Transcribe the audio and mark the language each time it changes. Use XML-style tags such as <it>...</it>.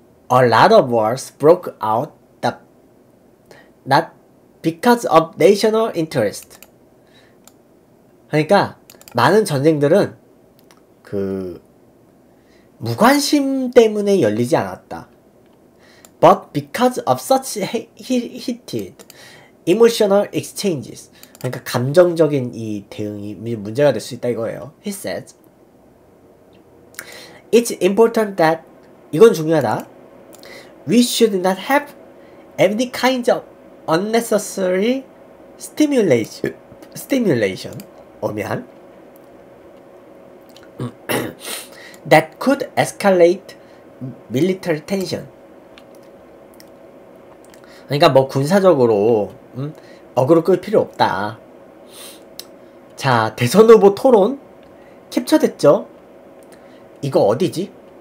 <en>A lot of wars broke out not because of national interest.</en> <ko>그러니까 많은 전쟁들은 그 무관심 때문에 열리지 않았다.</ko> <en>But because of such heated emotional exchanges.</en> <ko>그러니까 감정적인 이 대응이 문제가 될수 있다 이거예요.</ko> <en>He said, "It's important that</en> <ko>이건 중요하다.</ko> <en>We should not have any kind of unnecessary stimulation,</en> <ko>오면</ko> <en>that could escalate military tension."</en> <ko>그러니까 뭐 군사적으로 어그로 끌 필요 없다. 자, 대선 후보 토론 캡처됐죠? 이거 어디지?</ko>